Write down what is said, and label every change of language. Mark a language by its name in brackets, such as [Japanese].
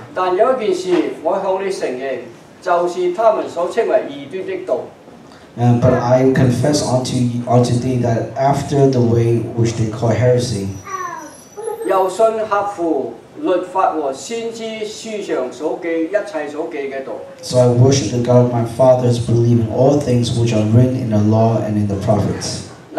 [Chinese] 但有一件事我向你承认，就是他们所称为异端的道。 [English] But I confess unto thee that after the way which they call heresy, [Chinese] 又信合乎律法和先知书上所记一切所记的道。 [English] So I worship the God of my fathers, believing all things which are written in the law and in the prophets.